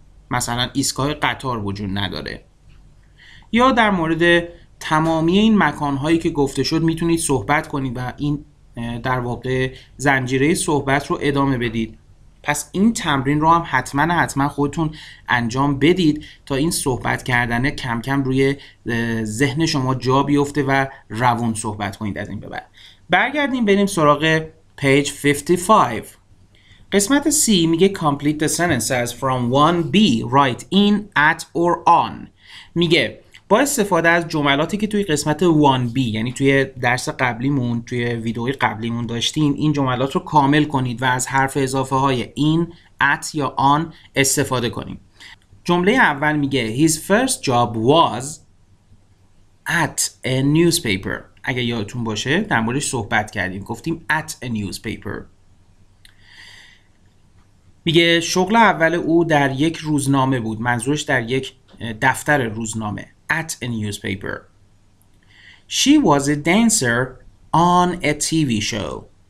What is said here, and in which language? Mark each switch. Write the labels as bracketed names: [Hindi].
[Persian] مثلا ایستگاه قطار وجود نداره. یا در مورد تمامی این مکانهایی که گفته شد میتونید صحبت کنید و این در واقع زنجیره صحبت رو ادامه بدید. پس این تمرین رو هم حتما خودتون انجام بدید تا این صحبت کردنه کم کم روی ذهن شما جا بیفته و روان صحبت کنید از این به بعد. برگردیم بریم سراغ پیج 55. قسمت C میگه [English] complete the sentences from 1B. write in, at or on. [Persian] میگه با استفاده از جملاتی که توی قسمت 1B یعنی توی درس قبلیمون توی ویدئوی قبلیمون داشتین این جملات رو کامل کنید و از حرف اضافه های این، at یا on استفاده کنیم. جمله اول میگه [English] His first job was at a newspaper. [Persian] اگه یادتون باشه در موردش صحبت کردیم، گفتیم [English] at a newspaper. [Persian] میگه شغل اول او در یک روزنامه بود، منظورش در یک دفتر روزنامه. [English] At a newspaper. She was a dancer on a TV show.